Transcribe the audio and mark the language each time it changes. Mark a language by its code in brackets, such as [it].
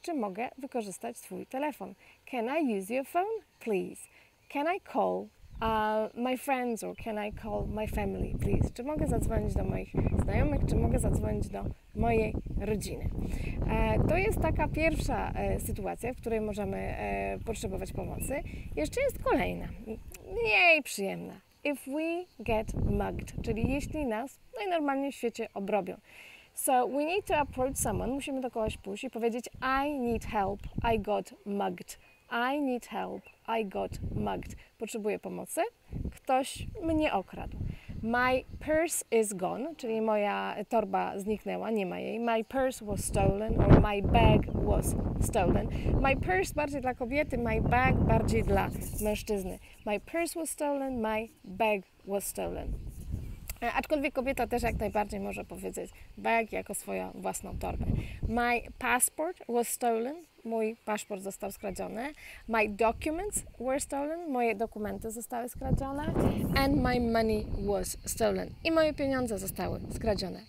[pl] Czy mogę wykorzystać twój telefon? [en] Can I use your phone, please? Can I call my friends or can I call my family, please? [pl] Czy mogę zadzwonić do moich znajomych, czy mogę zadzwonić do mojej rodziny? To jest taka pierwsza sytuacja, w której możemy potrzebować pomocy. Jeszcze jest kolejna, mniej przyjemna. [en] If we get mugged, [pl] czyli jeśli nas najnormalniej w świecie obrobią. [en] So we need to approach someone, [pl] musimy do kogoś pójść i powiedzieć [en] I need help, I got mugged. I need help, I got mugged. [pl] Potrzebuję pomocy? Ktoś mnie okradł. [en] My purse is gone, [pl] czyli moja torba zniknęła, nie ma jej. [en] My purse was stolen or my bag was stolen. [pl] My purse bardziej dla kobiety, my bag bardziej dla mężczyzny. [en] My purse was stolen, my bag was stolen. [pl] Aczkolwiek kobieta też jak najbardziej może powiedzieć bag jako swoją własną torbę. [en] My passport was stolen. [pl] Mój paszport został skradziony. [en] My documents were stolen. [pl] Moje dokumenty zostały skradzione. [en] And my money was stolen. [pl] I moje pieniądze zostały skradzione.